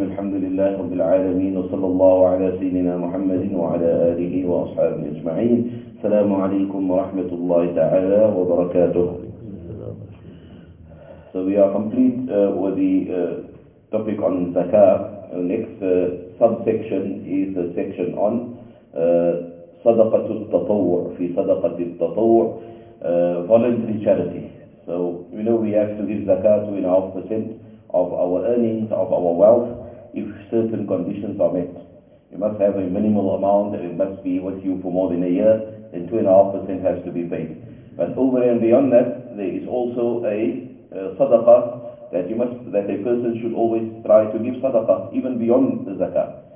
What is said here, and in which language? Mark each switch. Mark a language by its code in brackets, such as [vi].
[ar] الحمد لله رب العالمين، وصلى الله على سيدنا محمد وعلى آله وأصحابه أجمعين. السلام عليكم ورحمة الله تعالى وبركاته. [en] So we are complete with the topic on zakah. Next subsection is the section on صدقة التطوع. [ar] في صدقة التطوع [en] voluntary charity. So you know we have to give zakah 2.5% of our earnings, of our wealth, if certain conditions are met. You must have a minimal amount, and it must be with you for more than a year, then 2.5% has to be paid. But over and beyond that, there is also a sadaqah that a person should always try to give sadaqah, even beyond the zakah.